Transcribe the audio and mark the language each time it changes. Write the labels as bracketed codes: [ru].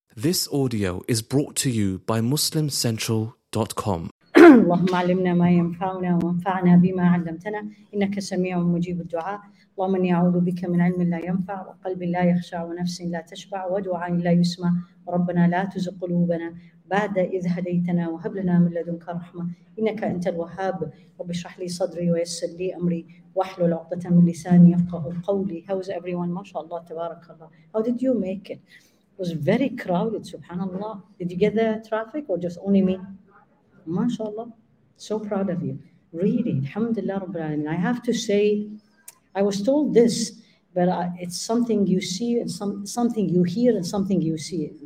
[en] This audio is brought to you by MuslimCentral.com. [ar] اللهم علمنا ما ينفعنا وانفعنا بما علمتنا إنك سميع مجيب الدعاء. اللهم إني أعوذ بك من علم لا ينفع وقلب لا يخشع ونفس لا تشبع ودعاء لا يسمع. ربنا لا تزغ قلوبنا بعد إذ هديتنا وهب لنا من لدنك رحمة إنك أنت الوهاب. رب اشرح لي صدري ويسر لي أمري واحلل عقدة من لساني يفقهوا قولي. [en] How is everyone? [ar] ما شاء الله تبارك الله. [en] How did you make it? It was very crowded, subhanAllah. Did you get the traffic or just only me? MashaAllah. So proud of you. Really, alhamdulillah rabbil alamin. I have to say, I was told this, but it's something you see, and something you hear, and something you see.